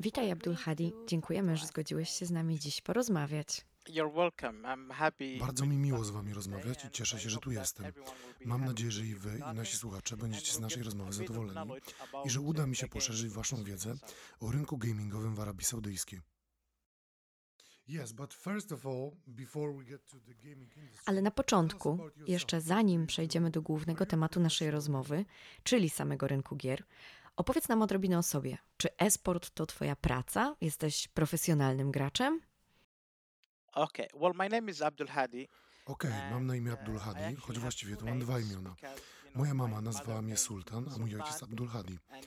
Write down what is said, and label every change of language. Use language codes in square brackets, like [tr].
[pl] Witaj Abdul Hadi, dziękujemy, że zgodziłeś się z nami dziś porozmawiać. [en] You're welcome. I'm happy. [pl] Bardzo mi miło z wami rozmawiać i cieszę się, że tu jestem. Mam nadzieję, że i wy, i nasi słuchacze będziecie z naszej rozmowy zadowoleni i że uda mi się poszerzyć waszą wiedzę o rynku gamingowym w Arabii Saudyjskiej. [en] Yes, but first of all, before we get to the gaming industry. [pl] Ale na początku, jeszcze zanim przejdziemy do głównego tematu naszej rozmowy, czyli samego rynku gier, opowiedz nam odrobinę o sobie. Czy e-sport to twoja praca? Jesteś profesjonalnym graczem? [en] Okay. Well, my name is Abdul Hadi. [pl] Okay, mam na imię Abdul Hadi, choć właściwie to mam dwa imiona. Moja mama nazwała mnie Sultan, a mój ojciec Abdul Hadi.